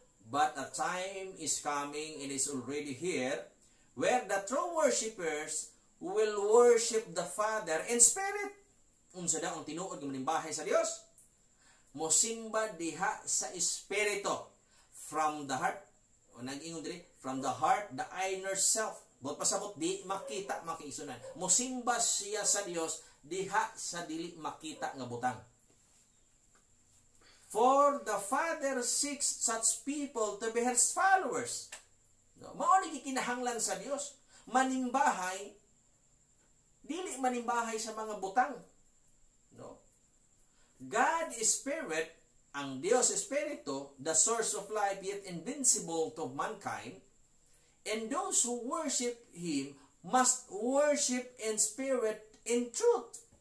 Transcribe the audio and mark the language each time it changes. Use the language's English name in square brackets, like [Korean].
[English] But a time is coming and is already here where the true worshipers will worship the Father in spirit. [Cebuano] Unsa daw ang tinuod nga manimbahay sa Dios? Mosimba diha sa espirito. [English] From the heart. [Cebuano] O nag-ingon diri, [English] from the heart, the inner self. [Cebuano] But pasabot di makita mga kaigsunan. Mosimba siya sa Dios diha sa dili makita nga butang. [English] For the Father seeks such people to be His followers. [Cebuano] No, mao ni kinahanglan sa Dios manimbahay, dili manimbahay sa mga butang. [English] No, God is Spirit, [Cebuano] ang Dios Espiritu, [English] the source of life yet invincible to mankind, and those who worship Him must worship in spirit in truth.